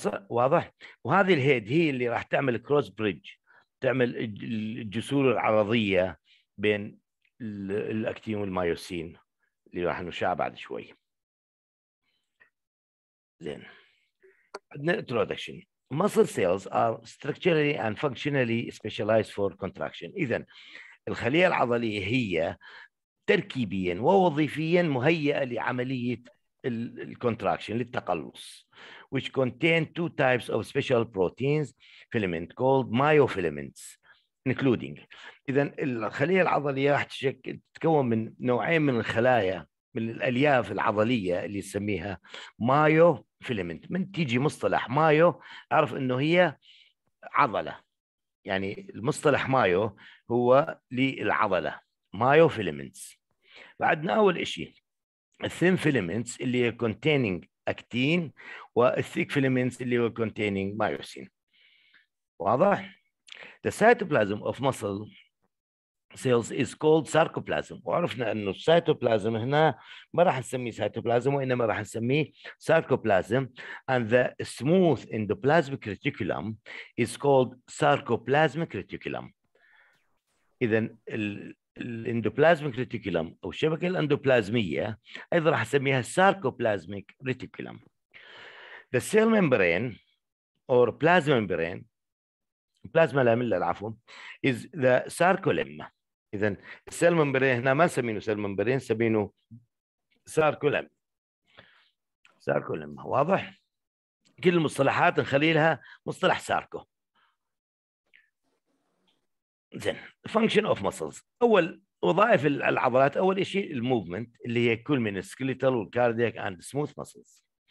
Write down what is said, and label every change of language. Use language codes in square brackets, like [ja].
[ar] واضح؟ وهذه الهيد هي اللي راح تعمل كروس بريدج، تعمل الجسور العرضية بين الأكتين والمايوسين اللي راح نشاه بعد شوي. زين عندنا introduction. [en] Muscle cells are structurally and functionally specialized for contraction. [ar] إذن الخلية العضلية هي تركيبيا ووظيفيا مهيئة لعملية contraction للتقلص. [en] Which contain two types of special proteins filament called myofilaments including. [ar] إذا الخلية العضلية راح تتكون من نوعين من الخلايا من الألياف العضلية اللي نسميها مايو فيلمنت. من تيجي مصطلح مايو أعرف إنه هي عضلة، يعني المصطلح مايو هو للعضلة مايو فيلمنت. بعدنا أول إشي الثين فيلمنت اللي هي containing أكتين والثيك فيلمنت اللي هو containing مايوسين، واضح؟ [en] The cytoplasm of muscle cells is called sarcoplasm. [ar] وعرفنا أنه cytoplasm هنا ما راح نسميه cytoplasm وإنما راح نسميه sarcoplasm. [en] And the smooth endoplasmic reticulum is called sarcoplasmic reticulum. [ar] إذن الendoplasmic reticulum أو الشبكة الأندوبلازمية أيضا راح نسميها sarcoplasmic reticulum. [en] The cell membrane or plasma membrane [ar] بلازما لاملا العفو [en] is the sarcolemma. [ar] إذا السيل ممبرين هنا ما نسمينه سيل ممبرين نسمينه sarcolemma. sarcolemma واضح؟ كل المصطلحات نخلي لها مصطلح ساركو. زين [en] function of muscles [ar] أول وظائف العضلات أول شيء الموفمنت اللي هي كل من السكليتال والكاردياك اند سموث muscles.